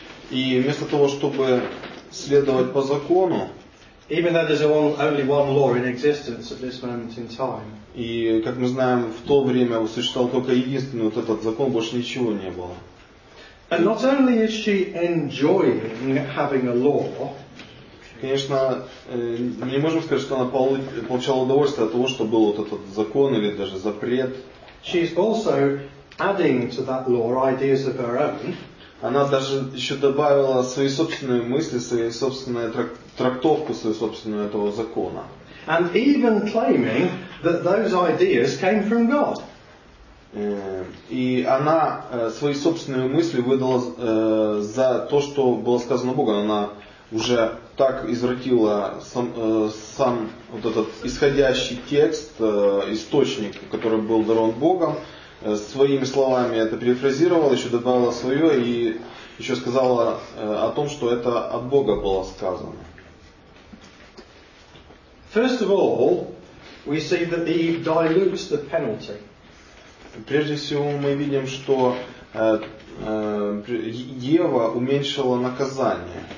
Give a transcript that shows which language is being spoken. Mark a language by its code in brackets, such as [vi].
[ru] И вместо того, чтобы следовать по закону, [en] even though there's only one law in existence at this moment in time. [ru] И, как мы знаем, в то время существовал только единственный вот этот закон, больше ничего не было. [en] And not only is she enjoying having a law. [ru] Конечно, мы не можем сказать, что она получала удовольствие от того, что был вот этот закон или даже запрет. [en] She's also adding to that law ideas of her own. [ru] Она даже еще добавила свои собственные мысли, свою собственную трактовку, свою собственную этого закона. [en] And even claiming that those ideas came from God. [ru] И она свои собственные мысли выдала за то, что было сказано Богом. Она уже так извратила сам вот этот исходящий текст, источник, который был дарован Богом, своими словами это перефразировала, еще добавила свое и еще сказала о том, что это от Бога было сказано. [en] First of all, we see that Eve dilutes the penalty. [ru] Прежде всего мы видим, что Ева уменьшила наказание.